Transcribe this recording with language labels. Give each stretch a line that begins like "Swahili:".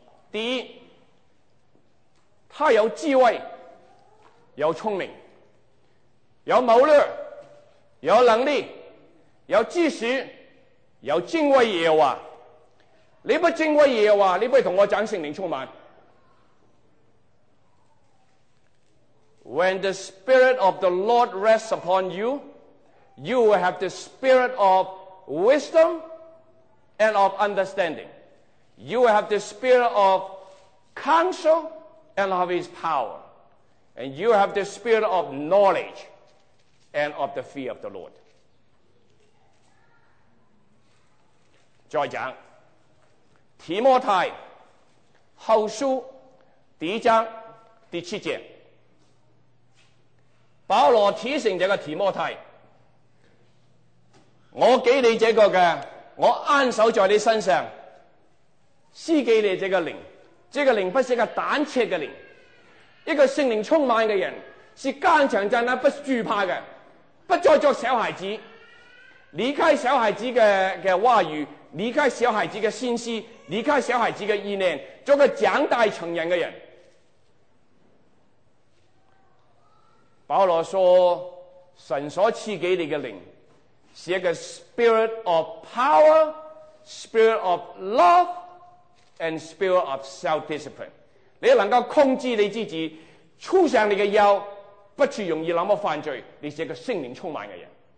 Chinese: 第一，他有智慧，有聪明，有谋略，有能力，有知识，有敬畏耶和华。你不敬畏耶和华，你不同我讲圣灵充满。
English: When the Spirit of the Lord rests upon you, you will have the Spirit of wisdom and of understanding. You will have the Spirit of counsel and of His power. And you will have the Spirit of knowledge and of the fear of the Lord.
Chinese: 再讲，提摩太后书第一章第七节。保罗提醒这个提摩太，我给你这个的，我按守在你身上，赐给你这个灵。这个灵不是一个胆怯的灵，一个圣灵充满的人是刚强在那不惧怕的。不再作小孩子，离开小孩子 的话语，离开小孩子的心思，离开小孩子的意念，做个长大成人的人。保罗说，神所赐给你的灵是一个
English: spirit of power, spirit of love, and spirit of self-discipline。
Chinese: 你能够控制你自己，束上你的腰，不去容易那么犯罪，你是一个圣灵充满的人。